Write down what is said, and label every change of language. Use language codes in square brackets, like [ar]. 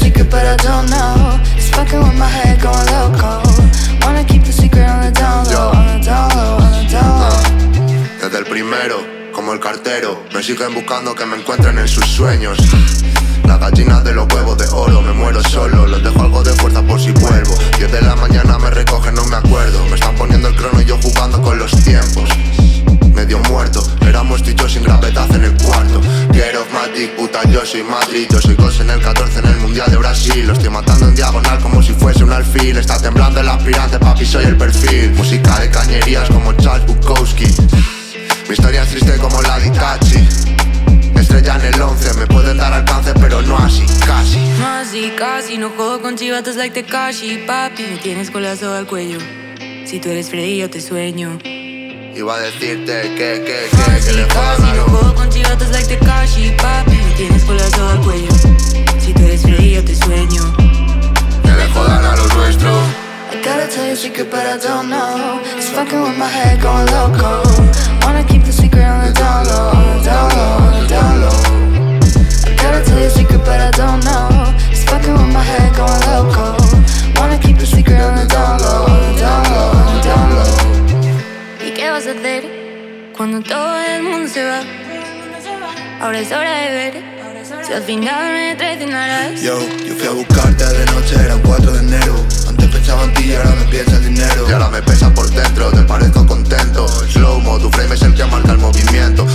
[en] But I don't know. It's fucking with my head going loco. Wanna keep the secret on the down low. On the down low, on the down low. [es] Desde el primero, como el cartero, me siguen buscando que me encuentren en sus sueños. Las gallinas de los huevos de oro, me muero solo. Les dejo algo de fuerza por si vuelvo. 10 de la mañana me recogen, no me acuerdo. Me están poniendo el crono y yo jugando con los tiempos. Medio muerto, éramos tú y yo sin gravedad en el cuarto. [en] Get off my dick, [es] puta, yo soy Madrid. Yo soy Cos en el 14 en el Mundial de Brasil. Lo estoy matando en diagonal como si fuese un alfil. Está temblando el aspirante, papi, soy el perfil. Música de cañerías como Charles Bukowski. Mi historia es triste como la de Itachi. Estrella en el 11, me pueden dar alcance, pero no así, casi. No así, casi, no juego con chivatos like Tekashi, papi. Me tienes con la soga al cuello. Si tú eres Freddy, yo te sueño. Iba a decirte que le casi, no juego con chivatos like Tekashi, papi. Me tienes con la soga al cuello. Si tú eres Freddy, yo te sueño. Que le jodan a lo nuestro. [en] I gotta tell you a secret but I don't know. It's fucking with my head going loco. Wanna keep the secret on the down low. On the down low, on the down low. I gotta tell you a secret but I don't know. It's fucking with my head going loco. Wanna keep the secret on the down low. On the down low, on the down low. [es] ¿Y qué vas a hacer cuando todo el mundo se va? Ahora es hora de ver. Si al final me traicionarás. Yo, yo fui a buscarte de noche, era 4 de enero. Pensaba en ti y ahora me piensa el dinero. Y ahora me pesa por dentro, te parezco contento. Slow-mo, tu frame es el que marca el movimiento.